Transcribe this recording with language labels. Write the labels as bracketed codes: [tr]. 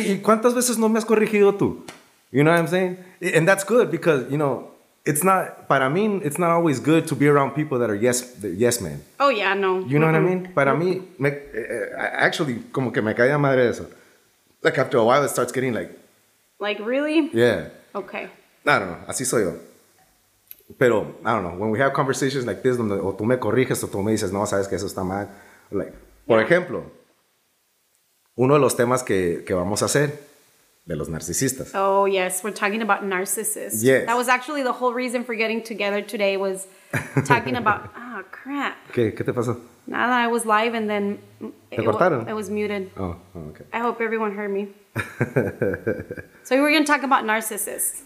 [es] ¿Y cuántas veces no me has corregido tú? [en] You know what I'm saying? And that's good because, you know, it's not, [es] para mí, [en] it's not always good to be around people that are yes men. Oh, yeah, no. You know what I mean? [es] Para mí, actually, como que me caía madre eso. [en] Like, after a while, it starts getting like... Like, really? Yeah. Okay. I don't know. [es] Así soy yo. Pero, I don't know. [en] When we have conversations like this, [es] donde o tú me corriges o tú me dices, no, sabes que eso está mal. Like, por ejemplo, uno de los temas que vamos a hacer... De los narcisistas. [en] Oh, yes. We're talking about narcissists. Yes. That was actually the whole reason for getting together today was talking about... Ah, oh, crap. [es] ¿Qué te pasó? [en] Nada, I was live and then... [es] ¿Te cortaron? [en] I was muted. Oh, okay. I hope everyone heard me. So we were going to talk about narcissists.